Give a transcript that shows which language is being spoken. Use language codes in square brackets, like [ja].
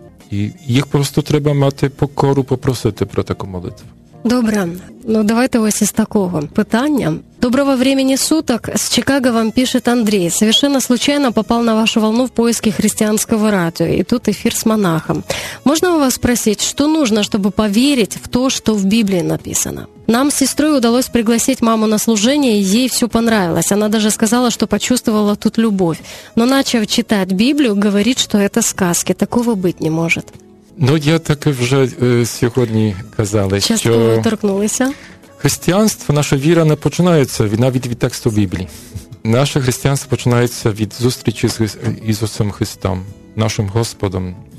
[uk] І їх просто треба мати покору, попросити про таку молитву. Добре. Ну, давайте ось із такого питання. [ru] Доброго времени суток. С Чикаго вам пишет Андрей. Совершенно случайно попал на вашу волну в поиске христианского радио. И тут эфир с монахом. Можно у вас спросить, что нужно, чтобы поверить в то, что в Библии написано? Нам с сестрой удалось пригласить маму на служение, и ей все понравилось. Она даже сказала, что почувствовала тут любовь. Но начав читать Библию, говорит, что это сказки. Такого быть не может. [uk] Ну, я так вже сьогодні казали, що християнство, наша віра не починається навіть від тексту Біблії. Наше християнство починається від зустрічі з Ісусом Христом, нашим Господом.